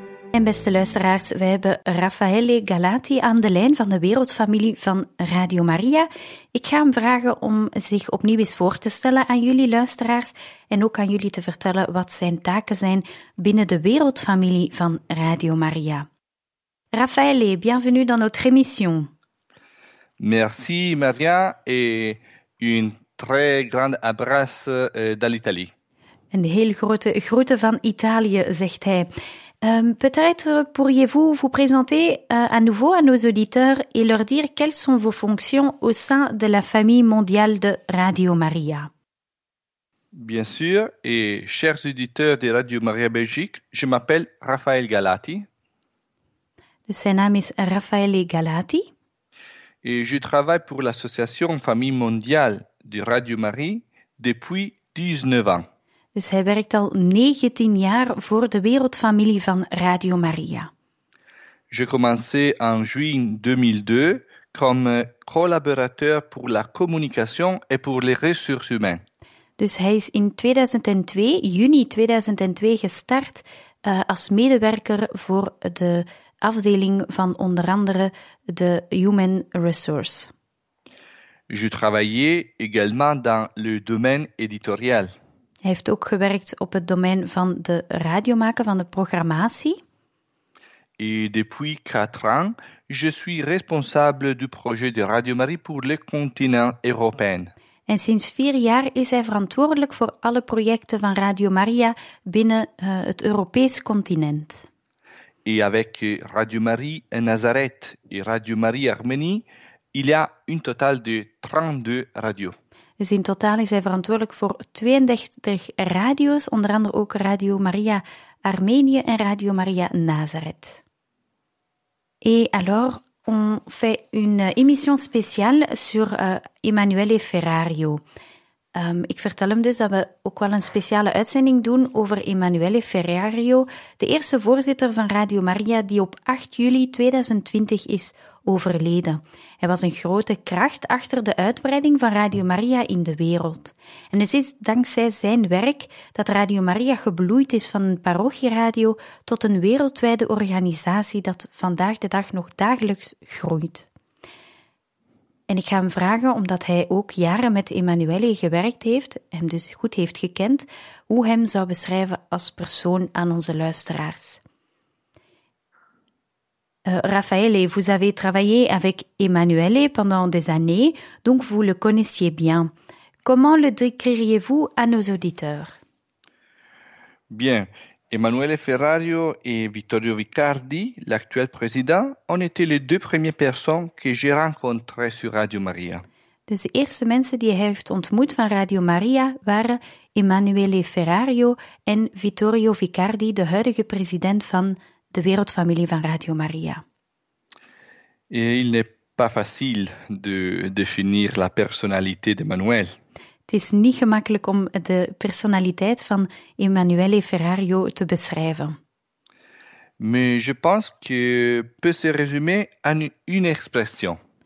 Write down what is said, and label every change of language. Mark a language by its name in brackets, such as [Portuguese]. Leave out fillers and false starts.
[Dutch] En beste luisteraars, wij hebben Raffaele Galati aan de lijn van de wereldfamilie van Radio Maria. Ik ga hem vragen om zich opnieuw eens voor te stellen aan jullie luisteraars en ook aan jullie te vertellen wat zijn taken zijn binnen de wereldfamilie van Radio Maria. [French] Raffaele, bienvenue dans notre émission. Merci Maria et un très grand abrace dans l'Italie. [Dutch] Een heel grote groete van Italië, zegt hij. [French] Peut-être pourriez-vous vous présenter à nouveau à nos auditeurs et leur dire quelles sont vos fonctions au sein de la famille mondiale de Radio Maria. Bien sûr, et chers auditeurs de Radio Maria Belgique, je m'appelle Raffael Galati. Son nom est Raffael Galati. Et je travaille pour l'association Famille mondiale de Radio Maria depuis 19 ans. [Dutch] Dus hij werkt al 19 jaar voor de wereldfamilie van Radio Maria. [French] J'ai commencé en juin 2002 comme collaborateur pour la communication et pour les ressources humaines. [Dutch] Dus hij is in 2002, juni 2002, gestart als medewerker voor de afdeling van onder andere de Human Resource. [French] Je travaillais également dans le domaine éditorial. [Dutch] Hij heeft ook gewerkt op het domein van de radiomaken, van de programmatie. [French] Et depuis 4 ans, je suis responsable du projet de Radio Maria pour le continent européen. [Dutch] En sinds 4 jaar is hij verantwoordelijk voor alle projecten van Radio Maria binnen het Europees continent. [French] Et avec Radio Maria Nazareth et Radio Maria Arménie, il y a un total de 32 radios. [Dutch] Dus in totaal is hij verantwoordelijk voor 32 radio's, onder andere ook Radio Maria Arménie en Radio Maria Nazareth. [French] Et alors, on fait une émission spéciale sur Emanuele Ferrario. [Dutch] Ik vertel hem dus dat we ook wel een speciale uitzending doen over Emanuele Ferrario, de eerste voorzitter van Radio Maria die op 8 juli 2020 is overleden. Hij was een grote kracht achter de uitbreiding van Radio Maria in de wereld. En het is dankzij zijn werk dat Radio Maria gebloeid is van een parochieradio tot een wereldwijde organisatie dat vandaag de dag nog dagelijks groeit. En ik ga hem vragen, omdat hij ook jaren met Emanuele gewerkt heeft, hem dus goed heeft gekend, hoe hem zou beschrijven als persoon aan onze luisteraars. [French] Raffaele, vous avez travaillé avec Emanuele pendant des années, donc vous le connaissiez bien. Comment le décririez-vous à nos auditeurs? Bien, Emanuele Ferrario et Vittorio Vicardi, l'actuel président, ont été les deux premières personnes que j'ai rencontrées sur Radio Maria. [Dutch] Dus de eerste mensen die hij heeft ontmoet van Radio Maria waren Emanuele Ferrario en Vittorio Vicardi, de huidige president van de wereldfamilie van Radio Maria. [French] Et il n'est pas facile de définir la personnalité d'Emmanuel. [Dutch] Het is niet gemakkelijk om de personnaliteit van Emanuele Ferrario te beschrijven. [French] Mais je pense que peut se résumer en une expression.